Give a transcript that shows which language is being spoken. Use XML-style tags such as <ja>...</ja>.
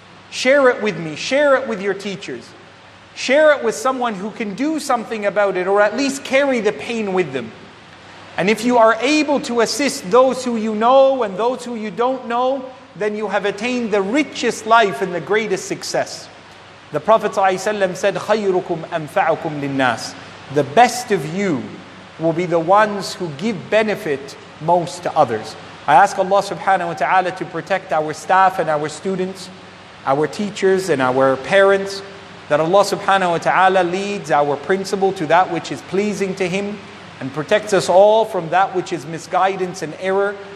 <en>Share it with me, share it with your teachers. Share it with someone who can do something about it, or at least carry the pain with them. And if you are able to assist those who you know and those who you don't know, then you have attained the richest life and the greatest success. The Prophet ﷺ said,</en> <ar>خَيْرُكُمْ أَنْفَعُكُمْ لِلنَّاسِ.</ar> <en>The best of you will be the ones who give benefit most to others. I ask Allah subhanahu wa ta'ala to protect our staff and our students, our teachers and our parents, that Allah subhanahu wa ta'ala leads our principal to that which is pleasing to him and protects us all from that which is misguidance and error.</en>